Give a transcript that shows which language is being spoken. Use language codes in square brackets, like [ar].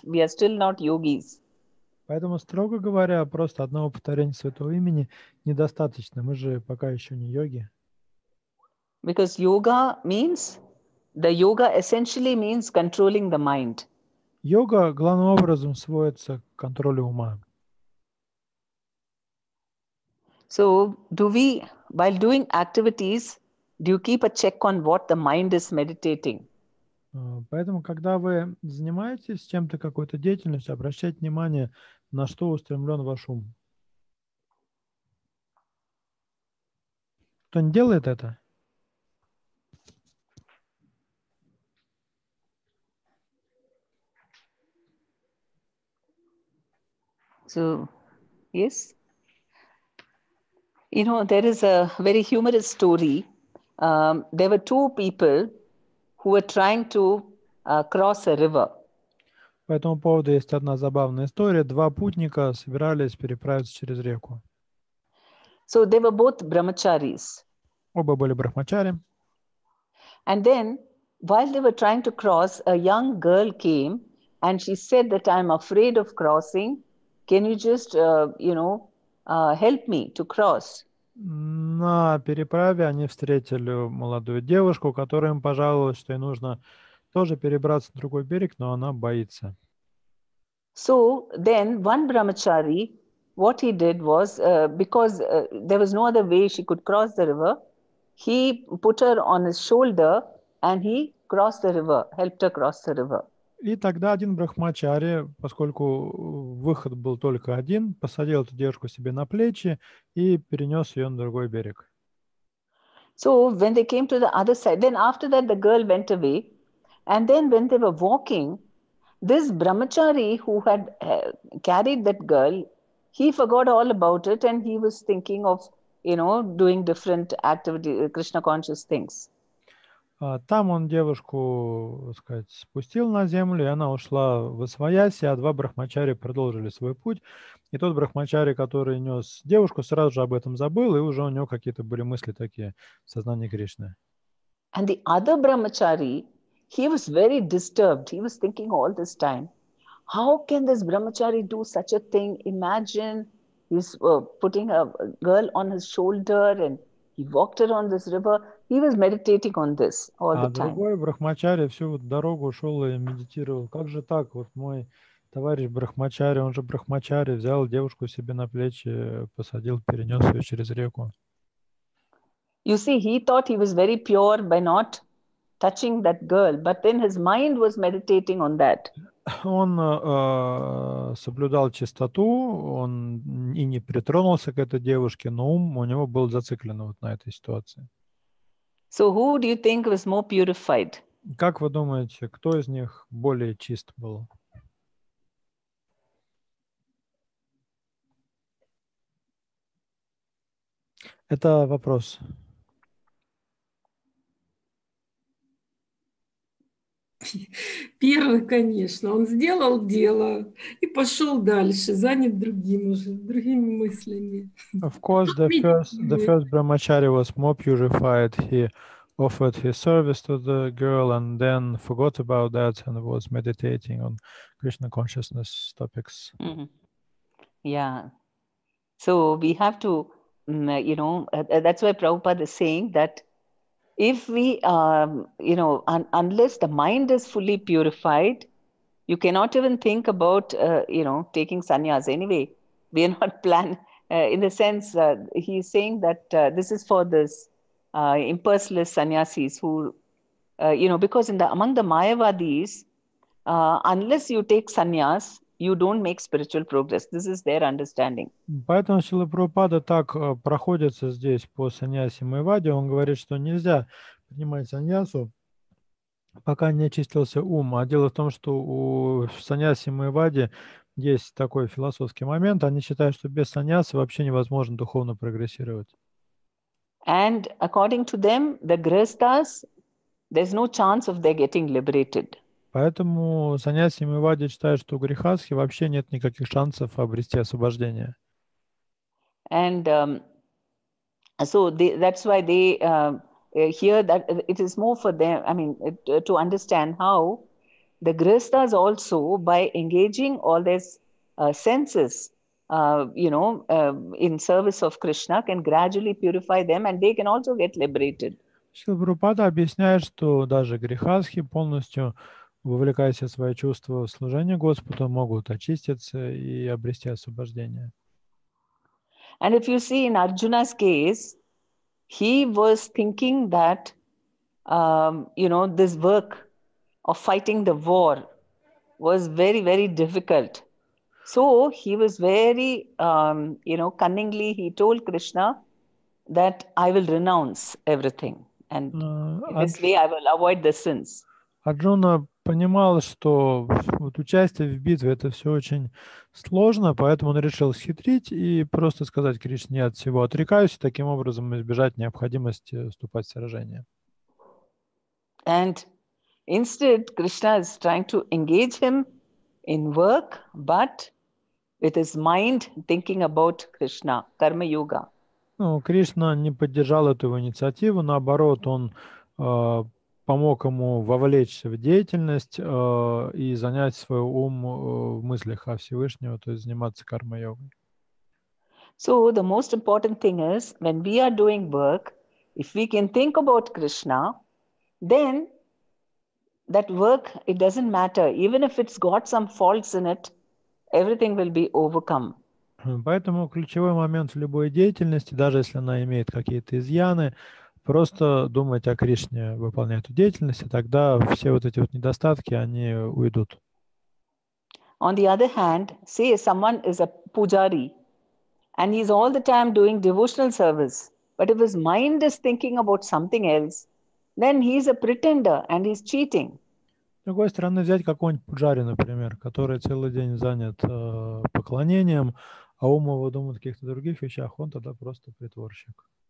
[en] We are still not yogis. [ru] Поэтому, строго говоря, просто одного повторения святого имени недостаточно. Мы же пока еще не йоги. [en] Because yoga means, the yoga essentially means controlling the mind. [ru] Йога главным образом сводится к контролю ума. [en] So, do we, while doing activities, do you keep a check on what the mind is meditating? [ru] Поэтому, когда вы занимаетесь чем-то, какой-то деятельностью, обращайте внимание, на что устремлен ваш ум. Кто не делает это? [en] So, yes. You know, there is a very humorous story. There were two people who were trying to cross a river. [ru] По этому поводу есть одна забавная история. Два путника собирались переправиться через реку. [en] So they were both brahmacharis. [ru] Оба были брахмачари. [en] And then, while they were trying to cross, a young girl came, and she said that I'm afraid of crossing. Can you just, you know, help me to cross? [ru] На переправе они встретили молодую девушку, которая им пожаловалась, что ей нужно тоже перебраться на другой берег, но она боится. [en] So then one brahmachari, what he did was, because there was no other way she could cross the river, he put her on his shoulder and he crossed the river, helped her cross the river. [ru] И тогда один брахмачари, поскольку выход был только один, посадил эту девушку себе на плечи и перенес ее на другой берег. [en] So when they came to the other side, then after that the girl went away, and then when they were walking, this brahmachari who had carried that girl, he forgot all about it and he was thinking of, you know, doing different activity, Krishna conscious things. [ru] Там он девушку, так сказать, спустил на землю, и она ушла в освояси, а два брахмачари продолжили свой путь. И тот брахмачари, который нес девушку, сразу же об этом забыл, и уже у него какие-то были мысли такие в сознании Кришны. [en] And the other brahmachari, he was very disturbed. He was thinking all this time, how can this brahmachari do such a thing? Imagine he's putting a girl on his shoulder and he walked around this river. He was meditating on this all the time. [ru] А другой брахмачари всю вот дорогу шел и медитировал. Как же так? Вот мой товарищ брахмачари, он же брахмачари, взял девушку себе на плечи, посадил, перенес ее через реку. [en] You see, he thought he was very pure by not touching that girl, but then his mind was meditating on that. [ru] Он соблюдал чистоту, он и не притронулся к этой девушке, но ум у него был зациклен вот на этой ситуации. [en] So who do you think was more purified? [ru] Как вы думаете, кто из них более чист был? Это вопрос. Первый, конечно, он сделал дело и пошел дальше, занят другим уже, другими мыслями. [en] Of course, the first brahmachari was more purified. He offered his service to the girl and then forgot about that and was meditating on Krishna consciousness topics. Mm-hmm. Yeah. So we have to, you know, that's why Prabhupada is saying that if we, you know, unless the mind is fully purified, you cannot even think about, you know, taking sannyas. Anyway, we are not planned. In the sense, he is saying that this is for this impersonalist sannyasis who, you know, because in the among the Mayavadis, unless you take sannyas, you don't make spiritual progress. This is their understanding. [ru] Поэтому Шрила Прабхупада так проходится здесь по саньяси Майваде. Он говорит, что нельзя принимать саньясу, пока не очистился ум. А дело в том, что у саньяси Майваде есть такой философский момент. Они считают, что без саньяса вообще невозможно духовно прогрессировать. [en] And according to them, the grihasthas, there's no chance of their getting liberated. [ru] Поэтому саньяси Майвади считают, что у грихасхи вообще нет никаких шансов обрести освобождение. [en] And so they, that's why they hear that it is more for them, I mean, to understand how the grihasthas also, by engaging all their senses, you know, in service of Krishna, can gradually purify them and they can also get liberated. [ru] Шрила Прабхупада объясняет, что даже грихасхи полностью, вовлекаясь в свои чувства в служение Господу, могут очиститься и обрести освобождение. [en] And if you see in Arjuna's case, he was thinking that, you know, this work of fighting the war was very, very difficult. So he was very, you know, cunningly he told Krishna that I will renounce everything. And this way I will avoid the sins. [ru] Арджуна понимал, что вот участие в битве – это все очень сложно, поэтому он решил схитрить и просто сказать Кришне от всего отрекаюсь, и таким образом избежать необходимости вступать в сражение. [en] And instead, Krishna is trying to engage him in work, but with his mind thinking about Krishna, карма-йога. [ru] Ну, Кришна не поддержал эту его инициативу, наоборот, он помог ему вовлечься в деятельность и занять свой ум в мыслях о Всевышнем, то есть заниматься карма-йогой. [en] So the most important thing is when we are doing work, if we can think about Krishna, then that work, it doesn't matter. Even if it's got some faults in it, everything will be overcome. [ru] Поэтому ключевой момент в любой деятельности, даже если она имеет какие-то изъяны, просто думать о Кришне, выполнять эту деятельность, и тогда все вот эти вот недостатки, они уйдут. [en] On the other hand, say someone is a pujari, and he's all the time doing devotional service, but if his mind is thinking about something else, then he's a pretender and he's cheating. [ru] С другой стороны, взять какой-нибудь пуджари, например, который целый день занят поклонением, а ум его думает о каких-то других вещах, он тогда просто притворщик.